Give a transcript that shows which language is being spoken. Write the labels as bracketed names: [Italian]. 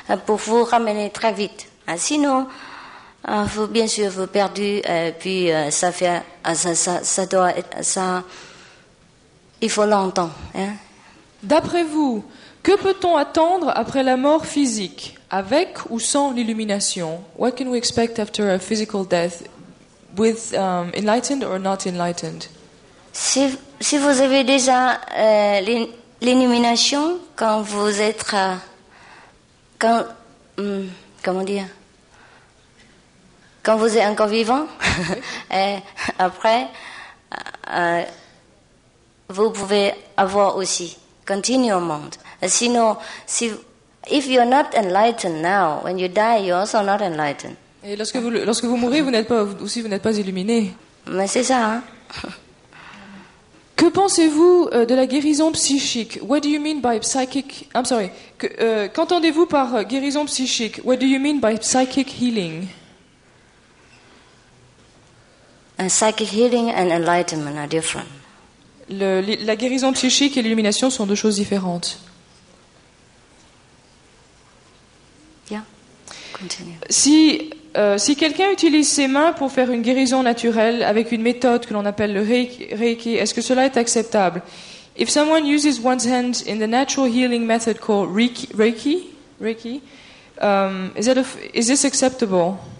[French] Pour vous ramener très vite. Sinon... vous, bien sûr, vous perdez, puis ça doit être ça. Il faut longtemps. Hein? D'après vous, que peut-on attendre après la mort physique, avec ou sans l'illumination? [English] What can we expect after a physical death, with enlightened or not enlightened? [French] Si vous avez déjà l'illumination quand vous êtes quand vous êtes encore vivant, et après, vous pouvez avoir aussi, continuer au monde. [English] Sinon, if you're not enlightened now, when you die, you're also not enlightened. [French] Et lorsque vous mourrez, vous n'êtes pas illuminé. Mais c'est ça. Hein? Que pensez-vous de la guérison psychique? [English] What do you mean by psychic? I'm sorry. [French] Qu'entendez-vous par guérison psychique? [English] What do you mean by psychic healing? And psychic healing and enlightenment are different. [French] La guérison psychique et l'illumination sont deux choses différentes. [English] Yeah. Continue. [French] Si quelqu'un utilise ses mains pour faire une guérison naturelle avec une méthode que l'on appelle le Reiki, est-ce que cela est acceptable? [English] If someone uses one's hands in the natural healing method called Reiki, is this acceptable?